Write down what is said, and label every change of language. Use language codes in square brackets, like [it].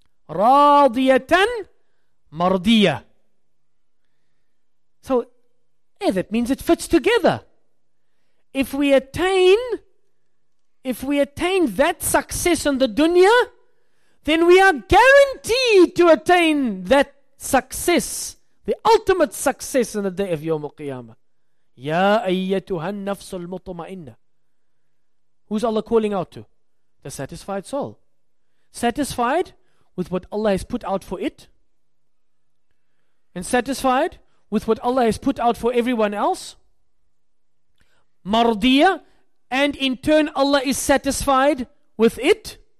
[ar] راضية مرضية. [en] So yeah, that means it fits together. If we attain that success in the dunya, then we are guaranteed to attain that success, the ultimate success in the day of Yawm al-Qiyamah. [ar] يا أيتها النفس المطمئنة. [en] Who's Allah calling out to? A satisfied soul. Satisfied with what Allah has put out for it. And satisfied with what Allah has put out for everyone else. Mardiya. And in turn Allah is satisfied with it.